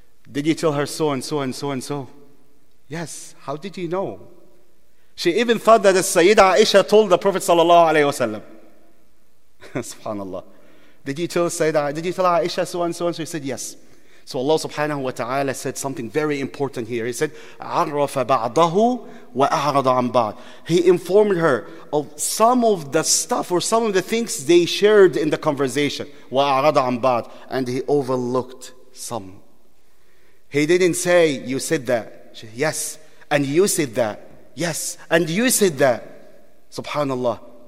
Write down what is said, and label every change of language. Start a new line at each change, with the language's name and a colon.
English: Did you tell her so and so and so and so? Yes. How did you know? She even thought that Sayyida Aisha told the Prophet sallallahu alayhi wa sallam. SubhanAllah. Did you tell Aisha so and so and so? He said yes. So Allah subhanahu wa ta'ala said something very important here. He said,
Arabic: عَرَّفَ بَعْضَهُ وَأَعْرَضَ عَنْ بَعْضٍ.
English: He informed her of some of the stuff or some of the things they shared in the conversation.
Arabic: وَأَعْرَضَ عَنْ بَعْضٍ.
English: And he overlooked some. He didn't say, you said that. She said, yes. And you said that. Yes, and you said that. SubhanAllah.